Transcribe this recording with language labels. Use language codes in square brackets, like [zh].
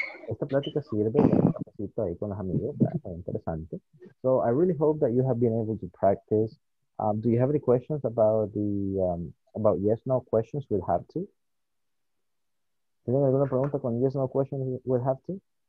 [es] esta plática sirve ahí con los amigos, ¿verdad? Interesante. [en] So I really hope that you have been able to practice. Do you have any questions about the about yes/no questions we'll have to? [es] ¿Tienen alguna pregunta con [en] yes/no questions we'll have to?